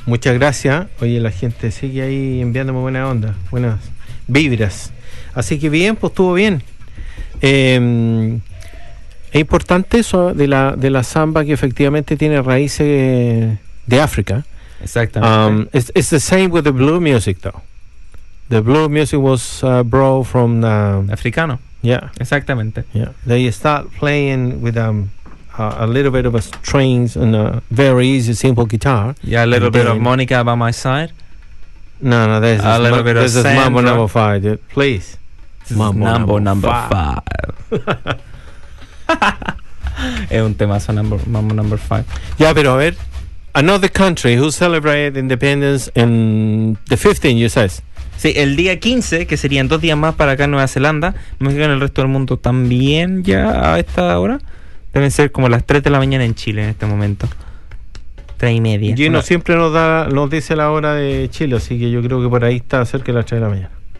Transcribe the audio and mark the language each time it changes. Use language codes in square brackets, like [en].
[es] Muchas gracias. Oye, la gente sigue ahí enviándome buena onda, buenas vibras. Así que bien, pues estuvo bien. Es importante eso de la samba, que efectivamente tiene raíces de África. Exactamente. [en] It's the same with the blue music, though. The blue music was brought from the [es] Africano. [en] Yeah, [es] exactamente. [en] Yeah, they start playing with a little bit of a strings and a very easy simple guitar. Yeah, a little bit of Monica by my side. No, there's a little bit of this is Mambo number five, dude. Please. Mambo number five. [es] Es un temazo, Mambo number five. [en] Yeah, [es] pero a ver, [en] another country who celebrated independence in the 15th, you says. [es] Sí, el día 15, que serían dos días más para acá en Nueva Zelanda. Me imagino en el resto del mundo también ya a esta hora. Deben ser como las 3 de la mañana en Chile en este momento. 3 y media. Gino siempre nos dice la hora de Chile, así que yo creo que por ahí está cerca de las 3 de la mañana.